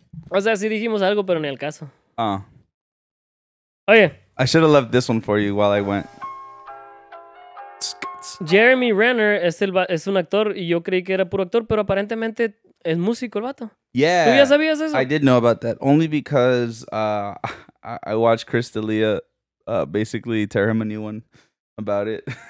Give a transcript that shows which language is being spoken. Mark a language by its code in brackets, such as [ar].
[es] O sea, sí dijimos algo, pero ni al caso. Ah. Oye. [en] I should have left this one for you while I went. [es] Jeremy Renner es un actor y yo creí que era puro actor, pero aparentemente es músico el vato. [en] Yeah. [es] ¿Tú ya sabías eso? [en] I did know about that. Only because I watched Chris D'Elia basically tear him a new one about it.